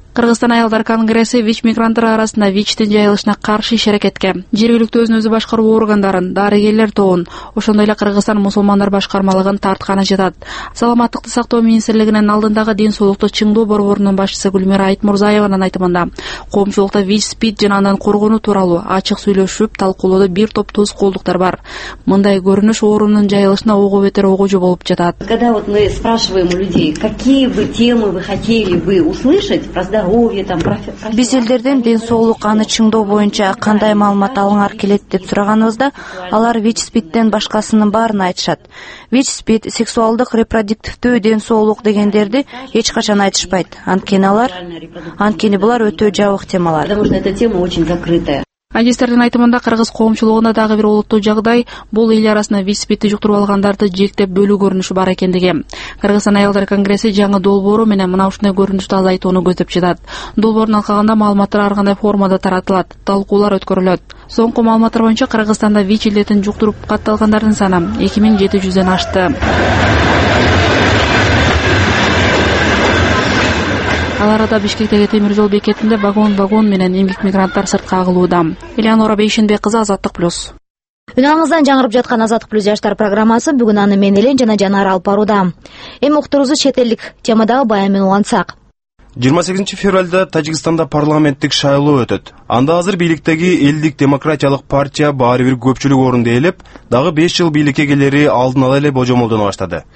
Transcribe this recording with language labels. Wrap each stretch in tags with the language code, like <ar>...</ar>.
<ky>Кыргызстан аялдар конгресси ВИЧ мигранттары арасында ВИЧтин жайылышына каршы иш аракетке жергиликтүү өзүн өзү башкаруу органдарын, дарыгерлер тобун, ошондой эле Кыргызстан мусулмандар башкармалыгын тартканы жатат. Саламаттыкты сактоо министрлигинин алдындагы ден соолукту чыңдоо борборунун башчысы Гүлмира Айтмурзаеванын айтымында коомчулукта ВИЧ спид жана андан коргонуу тууралуу ачык сүйлөшүп талкуулоодо бир топ тоскоолдуктар бар. Мындай көрүнүш оорунун жайылышына ого бетер огожо болуп жатат.</ky> <ru>Когда вот мы спрашиваем у людей, какие бы темы вы хотели бы услышать,</ru> <ky>биз элдерден ден соолук аны чыңдоо боюнча кандай маалымат алыңар келет деп сураганыбызда, алар ВИЧ спиттен башкасынын баарын айтышат. ВИЧ спит, сексуалдык репродуктивдүү ден соолук дегендерди эч качан айтышпайт. Анткени булар өтө жабык темалар.</ky> <ru>Потому что эта тема очень закрытая.</ru> <ky>Адистердин айтымында кыргыз коомчулугунда дагы бир олуттуу жагдай бул эл арасында ВИЧ спитти жуктуруп алгандарды жектеп бөлүү көрүнүшү бар экендиги. Кыргызстан аялдар конгресси жаңы долбоору менен мына ушундай көрүнүштү азайтууну көздөп жатат. Долбоорун алкагында маалыматтар ар кандай формада таратылат, талкуулар өткөрүлөт. Соңку маалыматтар боюнча Кыргызстанда ВИЧ илдетин жуктуруп катталгандардын саны 2700 ашты. Аларда Бишкектеги темир жол бекетинде вагон-вагон менен эмгек мигранттар сыртка агылууда. Элеонора Бейшенбек кызы, Азаттык плюс. Үнаңыздан жаңырып жаткан Азаттык плюс жаштар программасы бүгүн аны мен Элен жана Жанар алып барууда. Эми уктурубузду чет элдик темадагы баян менен улантсак. 28 февральда Тажикстанда парламенттик шайлоо өтөт. Анда азыр бийликтеги элдик демократиялык партия баары бир көпчүлүк орунду ээлеп, дагы 5 жыл бийликке келери алдын ала эле божомолдоно баштады.</ky>